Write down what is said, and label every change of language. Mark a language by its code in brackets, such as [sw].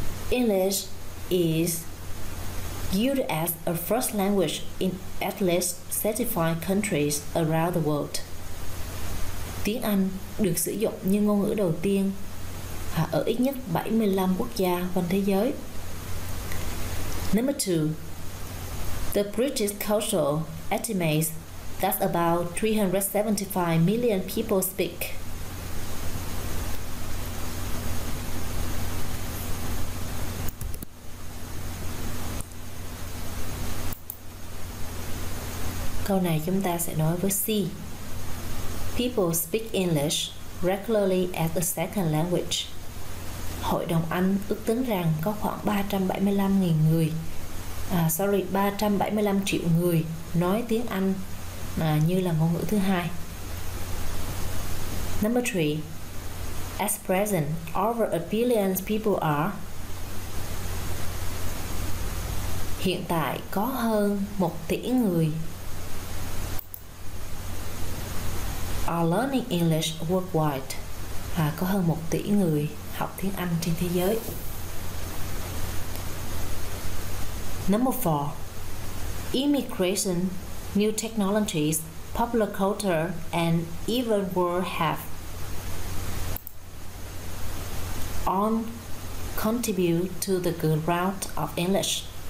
[en] English is used as a first language in at least 35 countries around the world. [vi] Tiếng Anh được sử dụng như ngôn ngữ đầu tiên ở ít nhất 75 quốc gia quanh thế giới. [en] Number 2. The British Council estimates that about 375 million people speak. [vi] Câu này chúng ta sẽ nói với C. [en] People speak English regularly as a second language. [vi] Hội đồng Anh ước tính rằng có khoảng 375.000 người, 375 triệu người nói tiếng Anh như là ngôn ngữ thứ hai. [en] Number 3. At present, over a billion people are. [vi] Hiện tại có hơn 1 tỷ người [en] are learning English worldwide. [vi] Có hơn 1 tỷ người học tiếng Anh trên thế giới. [en] Number 4. Immigration, new technologies, popular culture, and even world health all contribute to the growth of English.